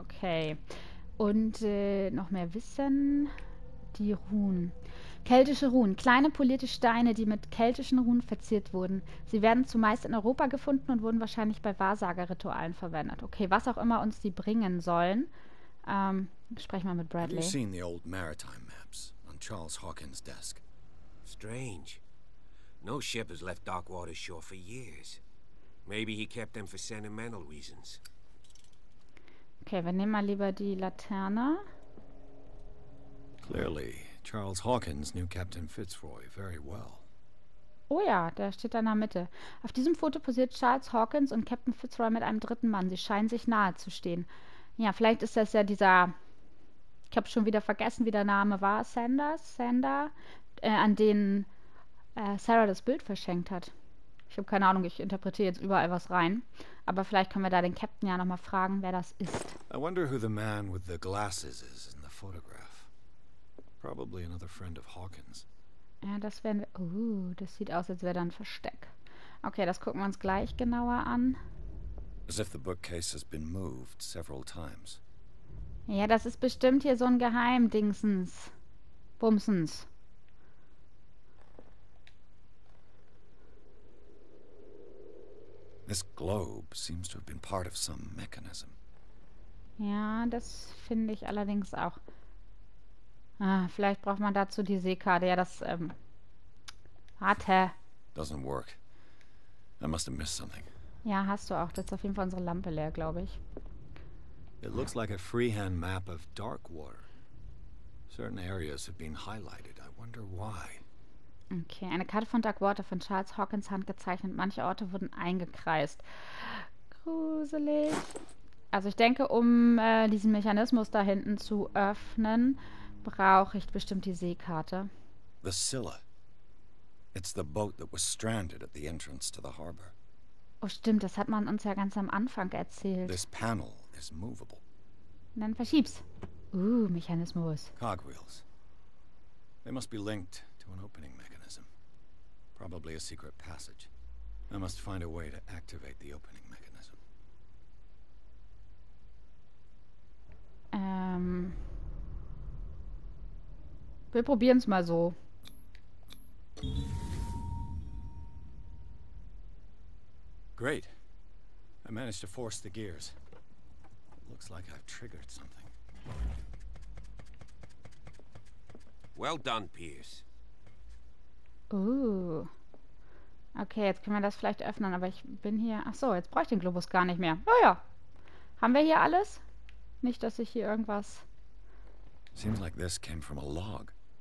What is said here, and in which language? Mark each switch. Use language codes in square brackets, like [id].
[de] Okay. Und noch mehr Wissen. Die Runen. Keltische Runen. Kleine polierte Steine, die mit keltischen Runen verziert wurden. Sie werden zumeist in Europa gefunden und wurden wahrscheinlich bei Wahrsagerritualen verwendet. Okay, was auch immer uns die bringen sollen. Sprechen wir mit Bradley. [en] Have you seen the old maritime maps on Charles Hawkins' desk? Strange. No ship has left Darkwater Shore for years. Maybe he kept them for sentimental reasons. [de] Okay, wir nehmen mal lieber die Laterne. [en] Clearly, Charles Hawkins knew Captain Fitzroy very well. [de] Oh ja, der steht da in der Mitte. Auf diesem Foto posiert Charles Hawkins und Captain Fitzroy mit einem dritten Mann. Sie scheinen sich nahe zu stehen. Ja, vielleicht ist das ja dieser... Ich habe schon wieder vergessen, wie der Name war. Sander, an den Sarah das Bild verschenkt hat. Ich habe keine Ahnung, ich interpretiere jetzt überall was rein. Aber vielleicht können wir da den Captain ja nochmal fragen, wer das ist. [en] I wonder who the man with the glasses is in the photograph. Probably another friend of Hawkins. [de] Ja, das werden wir... das sieht aus, als wäre da ein Versteck. Okay, das gucken wir uns gleich genauer an. [en] As if the bookcase has been moved several times. [de] Ja, das ist bestimmt hier so ein Geheimdingsens. Bumsens. [en] This globe seems to have been part of some mechanism. [de] Ja, das finde ich allerdings auch. Ah, vielleicht braucht man dazu die Seekarte. Ja, das hatte. [en] Doesn't work. I must have missed something. [de] Ja, hast du auch. Das ist auf jeden Fall unsere Lampe leer, glaube ich. [en] It looks like a freehand map of Darkwater. Certain areas have been highlighted. I wonder why. [de] Okay, eine Karte von Darkwater von Charles Hawkins Hand gezeichnet. Manche Orte wurden eingekreist. Gruselig. Also ich denke, um diesen Mechanismus da hinten zu öffnen, brauche ich bestimmt die Seekarte. [en] The Scylla. It's the boat that was stranded at the entrance to the harbor. [de] Oh stimmt, das hat man uns ja ganz am Anfang erzählt. [en] This panel is movable. [de] Und dann verschieb's. Mechanismus. [en] Cogwheels. They must be linked to an opening mechanism. Probably a secret passage. I must find a way to activate the opening mechanism. [de] Wir probieren's mal so. [en] Great. I managed to force the gears. Looks like I've triggered something. Well done, Pierce. [de] Okay, jetzt können wir das vielleicht öffnen, aber ich bin hier... Achso, jetzt brauche ich den Globus gar nicht mehr. Oh ja. Haben wir hier alles? Nicht, dass ich hier irgendwas... [en] Seems like this came from a log.